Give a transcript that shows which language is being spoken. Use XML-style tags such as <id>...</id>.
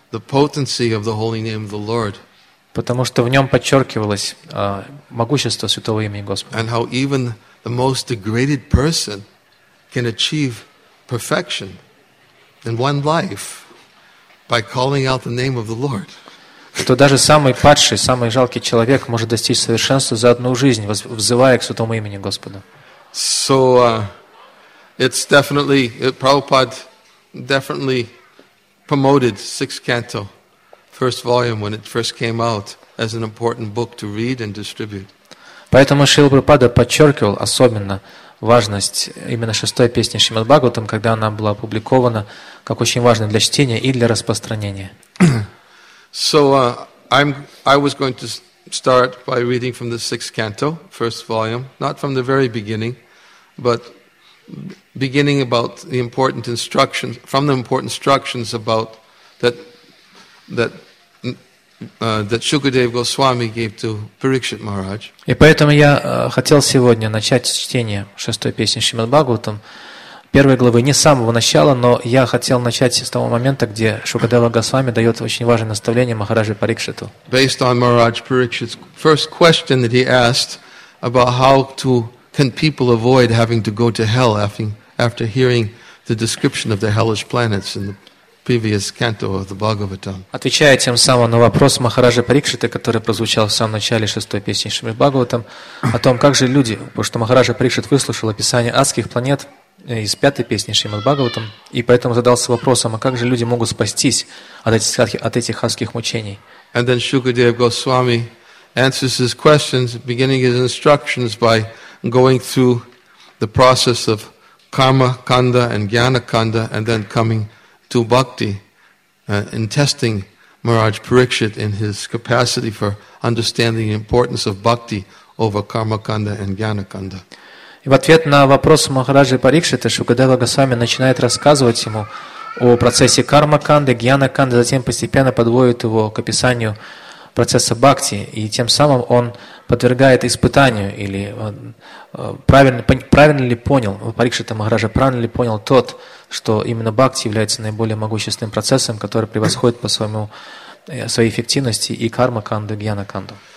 <en>The potency of the holy name of the Lord.</en> <ru>Потому что в нем подчеркивалось могущество святого имени Господа.</ru> <en>And how even the most degraded person can achieve perfection in one life by calling out the name of the Lord.</en> <ru>Что даже самый падший, самый жалкий человек может достичь совершенства за одну жизнь, взывая к святому имени Господа.</ru> <en>So it's definitely Prabhupada definitely promoted sixth canto first volume when it first came out as an important book to read and distribute.</en> <ru>Поэтому Шрила Прабхупада подчеркивал особенно важность именно шестой песни Шримад Бхагаватам, когда она была опубликована, как очень важная для чтения и для распространения.</ru> <en>So I was going to start by reading from the sixth canto, first volume, not from the very beginning, but beginning about the important instructions from the important instructions about that Shukadev Goswami gave to Parikshit Maharaj.</en> <ru>И поэтому я хотел сегодня начать чтение шестой песни Шримад Бхагаватам, первой главы, не с самого начала, но я хотел начать с того момента, где Шукадева Госвами дает очень важное наставление Махараджи Парикшиту.</ru> <en>Based on Maharaj Parikshit's first question that he asked about how to can people avoid having to go to hell after hearing the description of the hellish planets in the previous canto of the Bhagavatam?</en> <ru>Отвечая тем самым на вопрос Махараджа Парикшиты, который прозвучал в самом начале шестой песни Шримад Бхагаватам, о том, как же люди, потому что Махараджа Парикшит выслушал описание адских планет из пятой песни Шримад Бхагаватам, и поэтому задался вопросом, а как же люди могут спастись от этих адских мучений?</ru> <en>And then Shukadev Goswami answers his questions, beginning his instructions by going through the process of karma kanda and jnana kanda, and then coming to bhakti, in testing Maharaj Parikshit in his capacity for understanding the importance of bhakti over karma kanda and jnana kanda.</en> <ru>И в ответ на вопрос Махараджи Парикшита Шукадева Госвами начинает рассказывать ему о процессе карма канды, гьяна канды, затем постепенно подводит его к описанию процесса бхакти, и тем самым он подвергает испытанию, или правильно ли понял Парикшита Махараджа, правильно ли понял тот, что именно бхакти является наиболее могущественным процессом, который превосходит по своей эффективности и карма канду, гьяна канду.</ru>